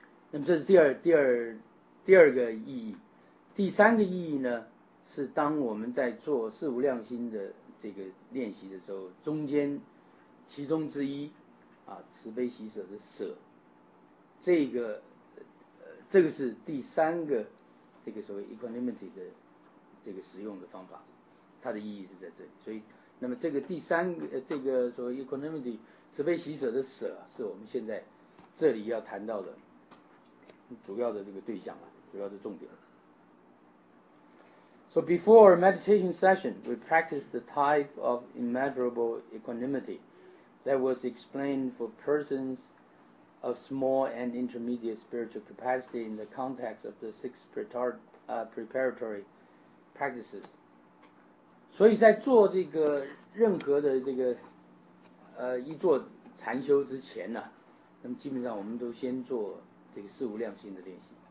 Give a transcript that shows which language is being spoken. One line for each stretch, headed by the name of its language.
Chinese: 那么这是第二个意义。第三个意义呢，是当我们在做四无量心的这个练习的时候，中间其中之一啊，慈悲喜舍的舍，这个是第三个这个所谓 equanimity 的这个使用的方法，它的意义是在这里。所以那么这个第三个这个所谓 equanimity 慈悲喜舍的舍，是我们现在这里要谈到的主要的这个对象了，主要的重点。
English: So before our meditation session we practiced the type of immeasurable equanimity that was explained for personsof small and intermediate spiritual capacity in the context of the six preparatory practices。
Chinese: 所以在做这个任何的这个一做禅修之前呢、啊，那么基本上我们都先做这个四无量心的练习。